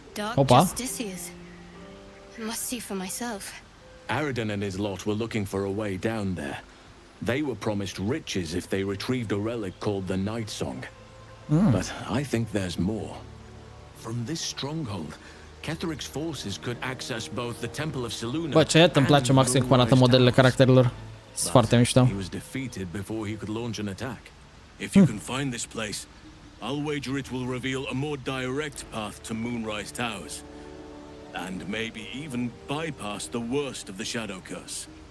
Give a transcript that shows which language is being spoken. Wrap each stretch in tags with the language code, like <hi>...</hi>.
<en>Dark Justicias. Must see for myself. Aridan and his lot were looking for a way down there. They were promised riches if they retrieved a relic called the Night Song. But I think there's more. From this stronghold, Ketherick's forces could access both the Temple of Saluna.</en> <ro>Bă, ce iată, îmi place Maxim cum arată modelele caracterilor. Sunt foarte mișto.</ro> <en>He was defeated before he could launch an attack. If you can find this place, I'll wager it will reveal a more direct path to Moonrise Towers. And maybe even bypass the worst of the Shadow Curse.</en>